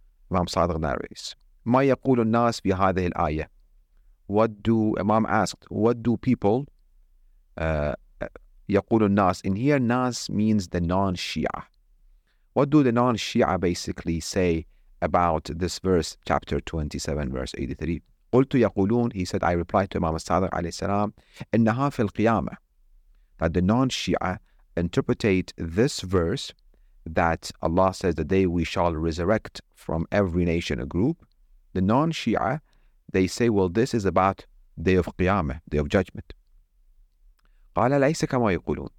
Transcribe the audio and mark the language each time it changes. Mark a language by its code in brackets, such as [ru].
[en] Imam Sadiq narrates, [ar] مَا يَقُولُ النَّاسِ فِي هَذِهِ الْآيَةِ. [en] What do, Imam asked, what do people, [ar] يَقُولُ النَّاسِ. [en] In here, Nas means the non-Shia. What do the non-Shia basically say about this verse, chapter 27, verse 83? [ar] قلت يقولون, [en] he said, I replied to Imam Sadiq عليه السلام, [ar] إنها في القيامة. [en] That the non-Shia interpretate this verse that Allah says, the day we shall resurrect from every nation a group. The non-Shia, they say, well, this is about day of Qiyamah, day of judgment. [ar] قال ليس كما يقولون.